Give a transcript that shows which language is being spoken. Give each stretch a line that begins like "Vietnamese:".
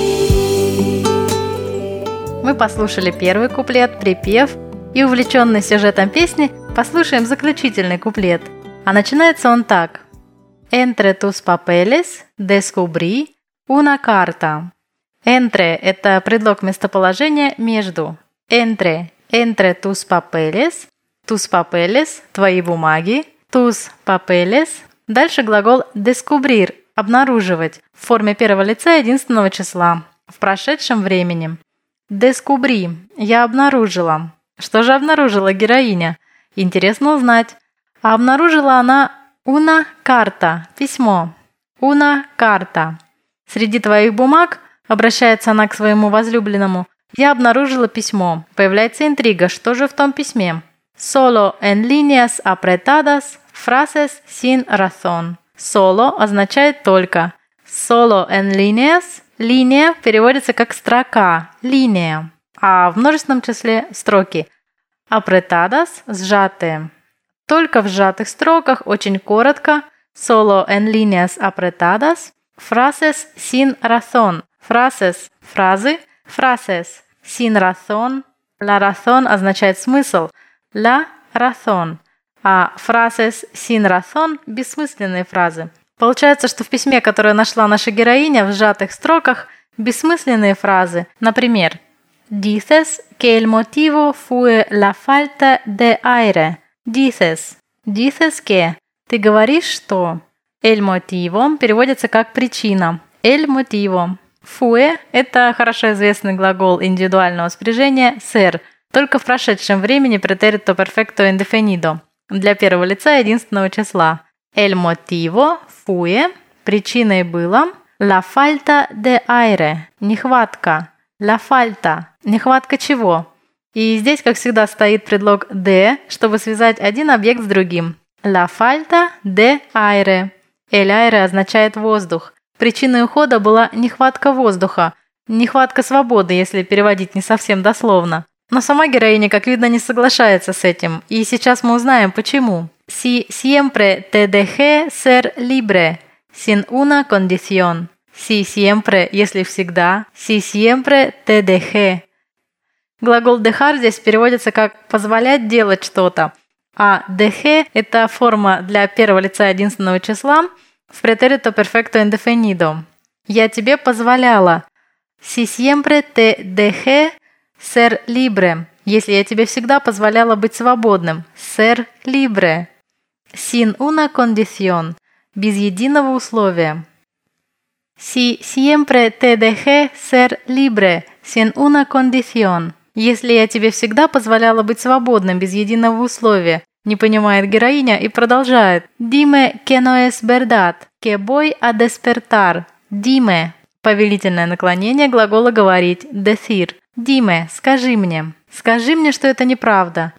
Russian: Мы послушали первый куплет, припев, и увлеченный сюжетом песни послушаем заключительный куплет. А начинается он так.
Spanish: Entre tus papeles descubrí una carta.
Russian: Entre – это предлог местоположения между.
Spanish: Entre – entre tus papeles. Tus papeles
Russian: – твои бумаги.
Spanish: Tus papeles.
Russian: Дальше глагол descubrir – обнаруживать в форме первого лица единственного числа в прошедшем времени. Descubrí. Я обнаружила. Что же обнаружила героиня? Интересно узнать. А обнаружила она
Spanish: una carta.
Russian: Письмо.
Spanish: Una carta.
Russian: Среди твоих бумаг, обращается она к своему возлюбленному, я обнаружила письмо. Появляется интрига. Что же в том письме?
Spanish: Solo en líneas apretadas frases sin razón.
Russian: Solo означает только.
Spanish: Solo en líneas.
Russian: Линия переводится как строка, линия, а в множественном числе строки. Apretadas – сжатые. Только в сжатых строках, очень коротко.
Spanish: Solo en líneas apretadas. Frases sin razón.
Russian: Frases – фразы.
Spanish: Frases sin razón.
Russian: La razón означает смысл.
Spanish: La razón.
Russian: А
Spanish: frases sin razón
Russian: – бессмысленные фразы. Получается, что в письме, которое нашла наша героиня, в сжатых строках бессмысленные фразы.
Spanish: Например, dices que el motivo fue la falta de aire. Dices. Dices que.
Russian: Ты говоришь, что. El motivo переводится как причина.
Spanish: El motivo.
Russian: Fue – это хорошо известный глагол индивидуального спряжения ser. Только в прошедшем времени претерито перфекто индефинидо. Для первого лица единственного числа.
Spanish: El motivo fue,
Russian: причиной было,
Spanish: la falta de aire, нехватка, la falta,
Russian: нехватка чего? И здесь, как всегда, стоит предлог de, чтобы связать один объект с другим.
Spanish: La falta de aire.
Russian: El aire означает воздух. Причиной ухода была нехватка воздуха, нехватка свободы, если переводить не совсем дословно. Но сама героиня, как видно, не соглашается с этим, и сейчас мы узнаем, почему.
Spanish: Si siempre te dejé ser libre, sin una condición. Si siempre,
Russian: если всегда.
Spanish: Si siempre te dejé.
Russian: Глагол dejar здесь переводится как «позволять делать что-то». А dejé – это форма для первого лица единственного числа в претерито перфекто индефинидо. «Я тебе позволяла».
Spanish: Si siempre te dejé ser libre.
Russian: «Если я тебе всегда позволяла быть свободным».
Spanish: Ser libre. Sin una condición.
Russian: Без единого условия.
Spanish: Si siempre te dejé ser libre. Sin una condición.
Russian: «Если я тебе всегда позволяла быть свободным, без единого условия», не понимает героиня и продолжает. «Dime que no es verdad,
Spanish: que voy a despertar».
Russian: «Dime» – повелительное наклонение глагола говорить «decir». «Dime» – «скажи мне». «Скажи мне, что это неправда».